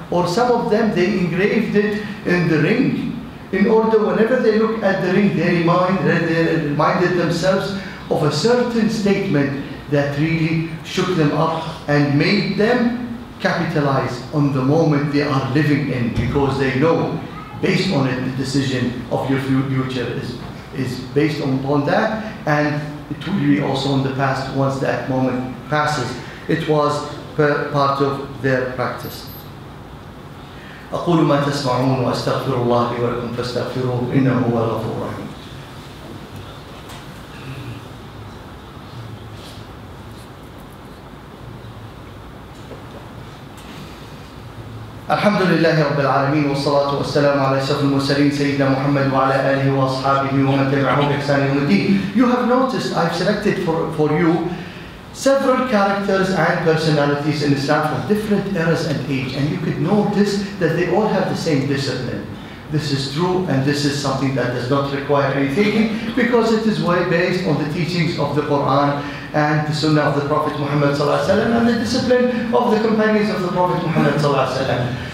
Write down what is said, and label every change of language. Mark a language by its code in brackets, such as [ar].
[en] Or some of them, they engraved it in the ring in order whenever they look at the ring, they reminded themselves of a certain statement that really shook them up and made them capitalize on the moment they are living in, because they know based on it the decision of your future is based upon that, and it will be also in the past once that moment passes. It was part of their practice. [ar] أقول ما تسمعون وأستغفر الله لي ولكم فاستغفروه إنه هو الغفور الرحيم. الحمد لله رب العالمين والصلاة والسلام على أشرف المرسلين سيدنا محمد وعلى آله وأصحابه ومن تبعهم بإحسان إلى الدين. [en] You have noticed I've selected for you several characters and personalities in Islam from different eras and age, and you could notice that they all have the same discipline. This is true, and this is something that does not require any thinking because it is way based on the teachings of the Quran and the Sunnah of the Prophet Muhammad sallallahu alaihi wasallam and the discipline of the companions of the Prophet Muhammad sallallahu alaihi wasallam.